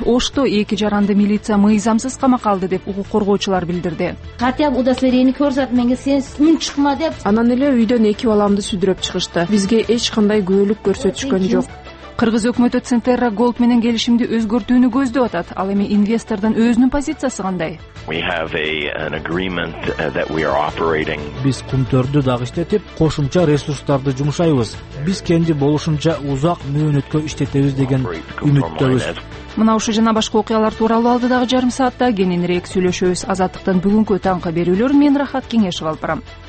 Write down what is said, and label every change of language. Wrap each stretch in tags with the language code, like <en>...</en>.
<ky>Ошто 2 жаранды милиция мыйзамсыз камакка алды деп укук коргоочулар билдирди. Катя удостоверениени көрсөт, менге сен мүн чыкма деп. Анан эле үйдөн 2 баламды сүйдүрүп чыгышты. Бизге эч кандай күйөлүк көрсөтүшкөн жок. Кыргыз өкмөтү Центерра Голд менен келишимди өзгөртүүнү көздөп атат. Ал эми инвестордун өзүнүн позициясы кандай?</ky> <en>We have an agreement that we are operating.</en> <ky>Биз кумтөрдү дагы иштетип, кошумча ресурстарды жумшайбыз. Биз кенди болушунча узак мөөнөткө иштетебиз деген үмүттөбүз. Мына ушу жана башка окуялар тууралуу алдыдагы жарым саатта кененирээк сүйлөшөбүз. Азаттыктын бүгүнкү таңкы берүүлөрүн мен Рахат Кеңешов алып барам.</ky>